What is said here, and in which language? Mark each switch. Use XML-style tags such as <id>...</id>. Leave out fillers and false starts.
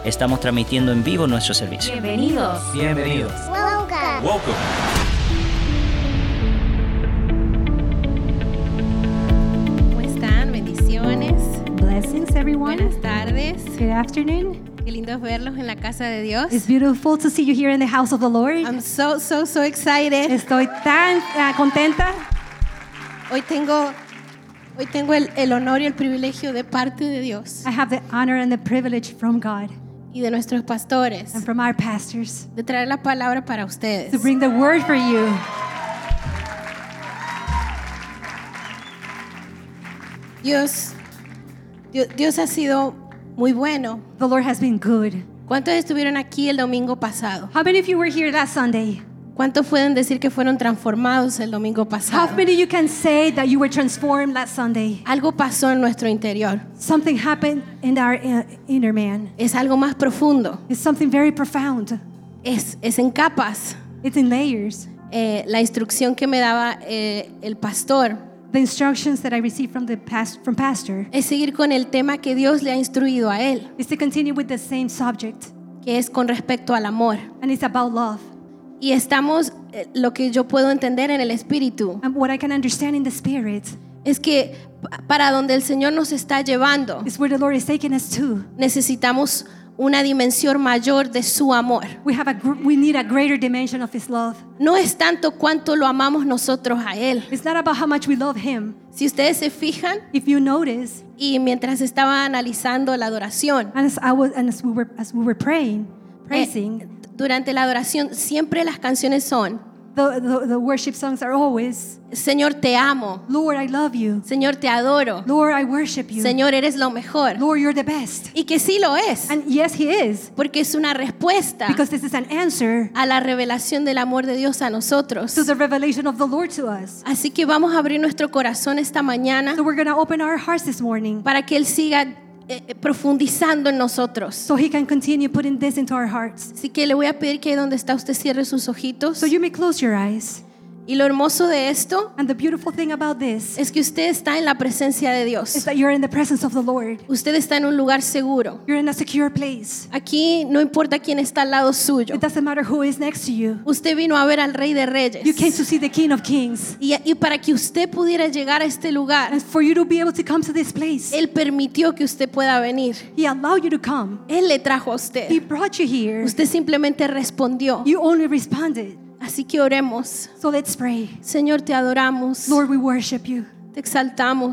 <es>Estamos transmitiendo en vivo nuestro servicio. Bienvenidos. Bienvenidos.</es> <en>Welcome. Welcome.</en> <es>¿Cómo están? Bendiciones.</es> <en>Blessings, everyone.</en> <es>Buenas tardes.</es> <en>Good afternoon.</en> <es>Qué lindo verlos en la casa de Dios.</es> <en>It's beautiful to see you here in the house of the Lord. I'm so excited.</en> <es>Estoy tan contenta. Hoy tengo el honor y el privilegio de parte de Dios.</es> <en>I have the honor and the privilege from God.</en> <es>Y de nuestros pastores.</es> <en>And from our pastors.</en> <es>De traer la palabra para ustedes.</es> <en>To bring the word for you.</en> <es>Dios ha sido muy bueno.</es> <en>The Lord has been good.</en> <es>¿Cuántos estuvieron aquí el domingo pasado?</es> <en>How many of you were here that Sunday?</en> <es>¿Cuántos pueden decir que fueron transformados el domingo pasado?</es> <en>How many of you can say that you were transformed that Sunday?</en> <es>Algo pasó en nuestro interior.</es> <en>Something happened in our inner man.</en> <es>Es algo más profundo.</es> <en>It's something very profound.</en> <es>Es en capas.</es> <en>It's in layers.</en> <es>La instrucción que me daba el pastor.</es> <en>The instructions that I received from the past, from pastor,</en> <es>es seguir con el tema que Dios le ha instruido a él,</es> <en>is to continue with the same subject,</en> <es>que es con respecto al amor,</es> <en>and it's about love.</en> <es>Y estamos, lo que yo puedo entender en el espíritu,</es> <en>and what I can understand in the spirit,</en> <es>es que para donde el Señor nos está llevando,</es> <en>is where the Lord is taking us to.</en> <es>Necesitamos una dimensión mayor de su amor.</es> <en>We need a greater dimension of his love.</en> <es>No es tanto cuánto lo amamos nosotros a él.</es> <en>It's not about how much we love him.</en> <es>Si ustedes se fijan,</es> <en>if you notice,</en> <es>y mientras estaba analizando la adoración,</es> <en>as we were praying,</en> <es>durante la adoración siempre las canciones son</es> <en>the worship songs are always,</en> <es>Señor te amo,</es> <en>Lord I love you,</en> <es>Señor te adoro,</es> <en>Lord I worship you,</en> <es>Señor eres lo mejor,</es> <en>Lord you're the best.</en> <es>Y que sí lo es,</es> <en>and yes he is,</en> <es>porque es una respuesta,</es> <en>because this is an answer,</en> <es>a la revelación del amor de Dios a nosotros,</es> <en>to the revelation of the Lord to us.</en> <es>Así que vamos a abrir nuestro corazón esta mañana,</es> <en>so we're going to open our hearts this morning,</en> <es>para que él siga profundizando en nosotros.</es> <en>So he can continue putting this into our hearts.</en> <es>Así que le voy a pedir que donde está usted cierre sus ojitos.</es> <en>So you may close your eyes.</en> <es>Y lo hermoso de esto,</es> <en>and the beautiful thing about this,</en> <es>es que usted está en la presencia de Dios.</es> <en>Is that you're in the presence of the Lord.</en> <es>Usted está en un lugar seguro.</es> <en>You're in a secure place.</en> <es>Aquí no importa quién está al lado suyo.</es> <en>It doesn't matter who is next to you.</en> <es>Usted vino a ver al Rey de Reyes.</es> <en>You came to see the King of Kings.</en> <es>Y para que usted pudiera llegar a este lugar,</es> <en>and for you to be able to come to this place,</en> <es>él permitió que usted pueda venir.</es> <en>He allowed you to come.</en> <es>Él le trajo a usted.</es> <en>He brought you here.</en> <es>Usted simplemente respondió.</es> <en>You only responded.</en> <es>Así que oremos.</es> <en>So let's pray.</en> <es>Señor, te adoramos.</es> <en>Lord, we worship you.</en> <es>Te exaltamos.</es>